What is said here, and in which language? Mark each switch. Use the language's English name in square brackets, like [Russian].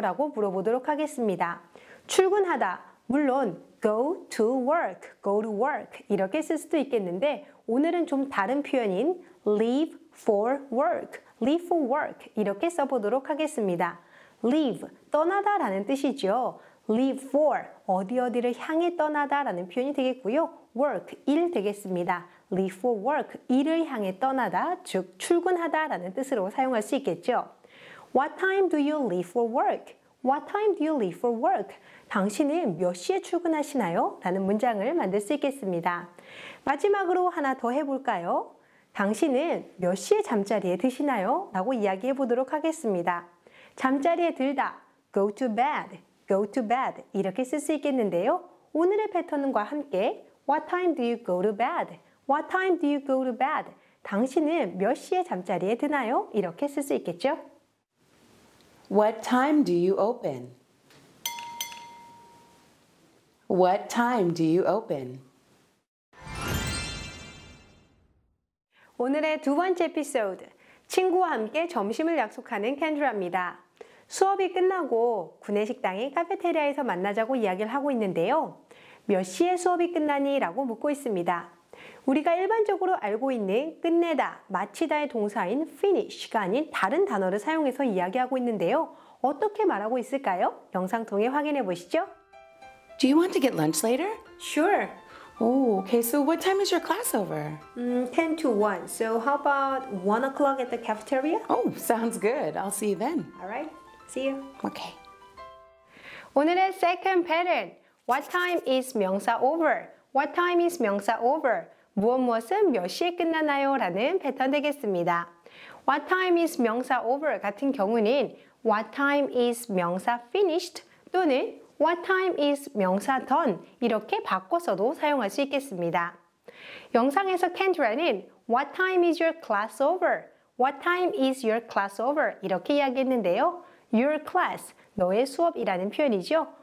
[Korean] 라고 물어보도록 하겠습니다. 출근하다, 물론 [English] go to work [Korean] 이렇게 쓸 수도 있겠는데 오늘은 좀 다른 표현인 [English] leave for work [Korean] 이렇게 써보도록 하겠습니다. leave, 떠나다 라는 뜻이죠. leave for, 어디 어디를 향해 떠나다 라는 표현이 되겠고요. work, 일 되겠습니다. [English] leave for work, [Korean] 일을 향해 떠나다, 즉 출근하다 라는 뜻으로 사용할 수 있겠죠. [English] What time do you leave for work? What time do you leave for work? [Korean] 당신은 몇 시에 출근하시나요? 라는 문장을 만들 수 있겠습니다. 마지막으로 하나 더 해볼까요? 당신은 몇 시에 잠자리에 드시나요? 라고 이야기해 보도록 하겠습니다. 잠자리에 들다, [English] go to bed [Korean] 이렇게 쓸 수 있겠는데요. 오늘의 패턴과 함께 [English] What time do you go to bed? What time do you go to bed? [Korean] 당신은 몇 시에 잠자리에 드나요? 이렇게 쓸 수 있겠죠. [English] What time do you open? What time do you open? [Korean] 오늘의 두 번째 에피소드, 친구와 함께 점심을 약속하는 켄드라입니다. 수업이 끝나고 구내식당의 카페테리아에서 만나자고 이야기를 하고 있는데요. 몇 시에 수업이 끝나니? 라고 묻고 있습니다. 우리가 일반적으로 알고 있는 끝내다, 마치다의 동사인 finish가 아닌 다른 단어를 사용해서 이야기하고 있는데요. 어떻게 말하고 있을까요? 영상 통해 확인해 보시죠. [English] Do you want to get lunch later? Sure. Oh, okay. So what time is your class over? 10 to 1. So how about 1 o'clock at the cafeteria? Oh, sounds good. I'll see you then. All right. See you. Okay. [Korean] 오늘의 [English] second pattern. What time is 명사 over? What time is 명사 over? [Korean] 무엇무엇은 몇 시에 끝나나요? 라는 패턴 되겠습니다. [English] What time is 명사 over? [Korean] 같은 경우는 [English] What time is 명사 finished? 또는 What time is 명사 done? [Korean] 이렇게 바꿔서도 사용할 수 있겠습니다. 영상에서 켄드라는 [English] What time is your class over? What time is your class over? [Korean] 이렇게 이야기했는데요. [English] Your class, [Korean] 너의 수업이라는 표현이죠.